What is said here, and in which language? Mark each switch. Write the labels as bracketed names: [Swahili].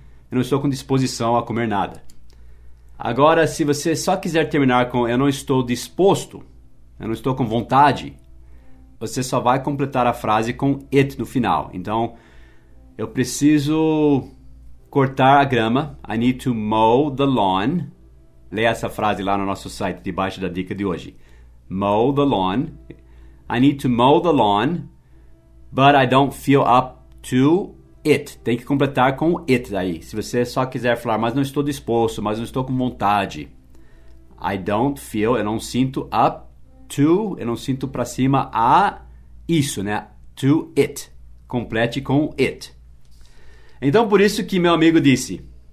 [Portuguese] Eu não estou com disposição a comer nada. Agora, se você só quiser terminar com eu não estou disposto, eu não estou com vontade, você só vai completar a frase com it no final. Então, eu preciso cortar a grama. [English] I need to mow the lawn. [Portuguese] Leia essa frase lá no nosso site, debaixo da dica de hoje. [English] Mow the lawn. I need to mow the lawn, but I don't feel up to it. [Portuguese] Tem que completar com it aí. Se você só quiser falar, mas não estou disposto, mas não estou com vontade. [English] I don't feel, [Portuguese] eu não sinto [English] up to, [Portuguese] eu não sinto para cima a isso, né? [English] To it. [Portuguese] Complete com it. Então, por isso que meu amigo disse...